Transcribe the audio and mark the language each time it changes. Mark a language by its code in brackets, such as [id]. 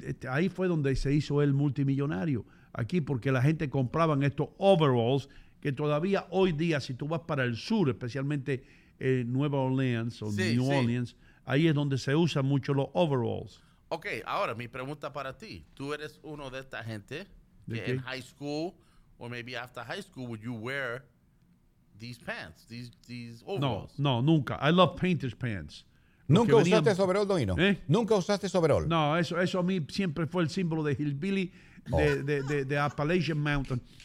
[es] Ahí fue donde se hizo el multimillonario. Aquí porque la gente compraban estos overalls que todavía hoy día, si tú vas para el sur, especialmente Nueva Orleans o New Orleans, ahí es donde se usan mucho los overalls. Ok, ahora mi pregunta para ti. Tú eres uno de esta gente que en high school [en] or maybe after high school, would you wear these pants, these overalls? [es] No, no, nunca. [en] I love painter's pants. [es] ¿Nunca usaste sobreroll, Domino? ¿Nunca usaste sobreroll? No, eso a mí siempre fue el símbolo de Hillbilly, de Appalachian Mountain.